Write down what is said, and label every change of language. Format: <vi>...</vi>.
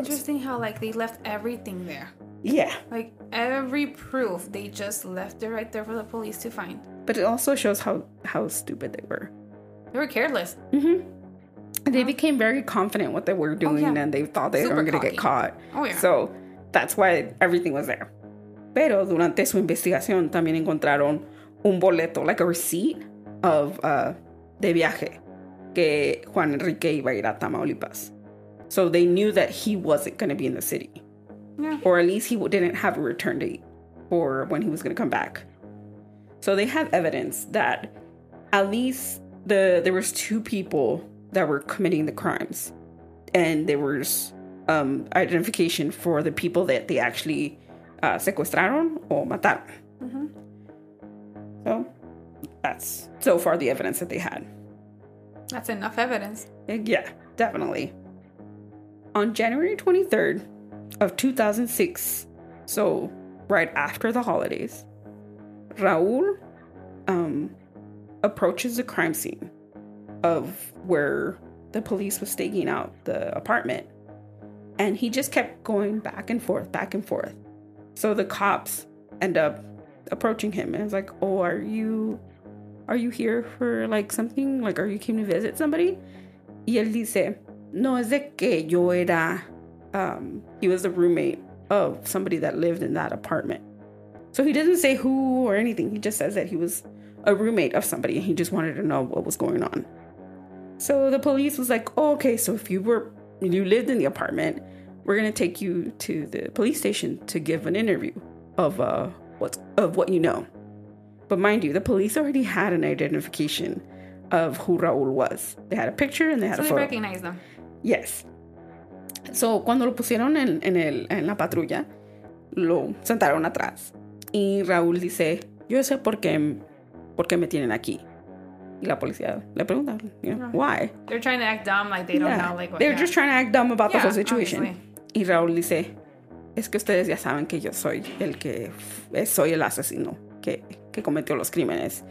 <en>It's interesting how like they left everything there. Yeah. Like every proof they just left it right there for the police to find. But it also shows how stupid they were. They were careless. Mm-hmm. They became very confident what they were doing, and they thought they were going to get caught. Oh, yeah. So that's why everything was there.</en> <es>Pero durante su investigación también encontraron un boleto,</es> <en>like a receipt of</en> <es>de viaje que Juan Enrique iba a ir a Tamaulipas.</es> <en>So they knew that he wasn't going to be in the city. Yeah. Or at least he didn't have a return date for when he was going to come back. So they have evidence that at least there was 2 people that were committing the crimes, and there was identification for the people that they actually</en> <es>secuestraron</es> <en>or</en> <es>mataron. Mm-hmm.</es> <en>So that's so far the evidence that they had. That's enough evidence. Yeah, definitely. On January 23rd of 2006, so right after the holidays, Raúl approaches the crime scene of where the police was staking out the apartment. And he just kept going back and forth, back and forth. So the cops end up approaching him. And it's like, oh, are you here for like something? Like, are you came to visit somebody?</en> <es>Y él dice, no es de que yo era.</es> <en>He was the roommate of somebody that lived in that apartment. So he doesn't say who or anything. He just says that he was a roommate of somebody and he just wanted to know what was going on. So the police was like, oh, okay, so if you lived in the apartment, we're going to take you to the police station to give an interview of what you know. But mind you, the police already had an identification of who Raúl was. They had a picture and they had a photo. So they recognized them. Yes.</en> <es>So cuando lo pusieron en la patrulla, lo sentaron atrás. Y Raúl dice, yo sé por qué me tienen aquí. Y la policía le pregunta,</es> <en>why? They're trying to act dumb, like they don't know. Like, They're just trying to act dumb about the whole situation. Obviously.</en> <es>Y Raúl dice, es que ustedes ya saben que yo soy el asesino que cometió los crímenes.</es>